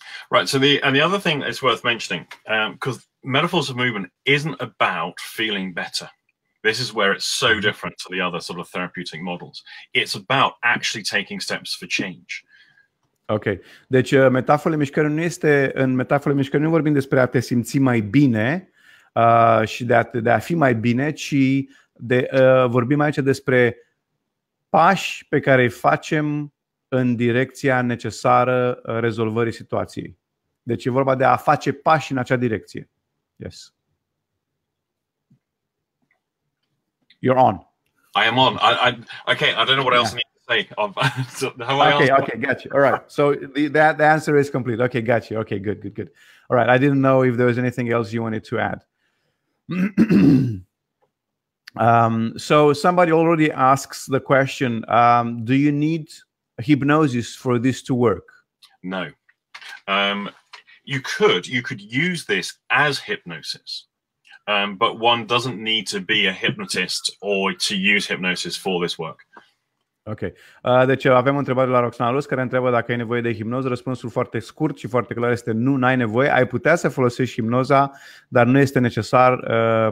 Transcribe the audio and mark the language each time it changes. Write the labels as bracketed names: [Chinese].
[English] Right, so the other thing that's worth mentioning, because metaphors of movement isn't about feeling better. This is where it's so different to the other sort of therapeutic models. It's about actually taking steps for change. [Romanian] Ok, deci metaforele mișcării nu este, în metaforele mișcării nu vorbim despre a te simți mai bine și de a fi mai bine, ci vorbim aici despre pași pe care îi facem în direcția necesară rezolvării situației. Deci e vorba de a face pași în acea direcție. [English] Yes. You're on. I am on. Okay, I don't know what else I need to say. Okay, gotcha. All right. So the answer is complete. Okay, gotcha. Okay, good. All right, I didn't know if there was anything else you wanted to add. So somebody already asks the question, do you need hypnosis for this to work? No. You could use this as hypnosis, but one doesn't need to be a hypnotist or to use hypnosis for this work. Ok. [Romanian] Deci avem o întrebare la Roxana Luz care întreabă dacă ai nevoie de hipnoză. Răspunsul foarte scurt și foarte clar este nu, n-ai nevoie. Ai putea să folosești hipnoza, dar nu este necesar.